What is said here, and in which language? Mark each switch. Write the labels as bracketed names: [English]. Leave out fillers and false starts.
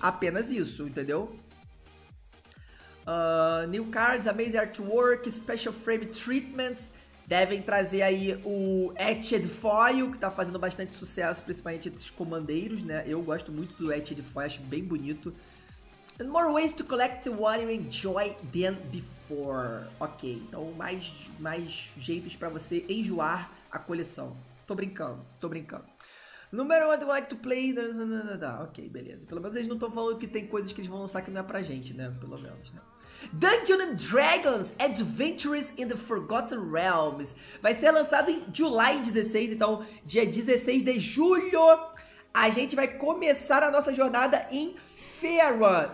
[Portuguese] Apenas isso, entendeu? [English] New Cards, Amazing Artwork, Special Frame Treatments. [Portuguese] Devem trazer aí o Etched Foil, que tá fazendo bastante sucesso, principalmente entre os comandeiros, né? Eu gosto muito do Etched Foil, acho bem bonito. [English] And more ways to collect what you enjoy than before. [Portuguese] Ok, então mais jeitos pra você enjoar a coleção. Tô brincando. [English] No matter what you like to play... [Portuguese] Ok, beleza. Pelo menos eles não estão falando que tem coisas que eles vão lançar que não é pra gente, né? Pelo menos, né? Dungeons and Dragons Adventures in the Forgotten Realms vai ser lançado em July 16, então dia 16 de julho a gente vai começar a nossa jornada em Faerun.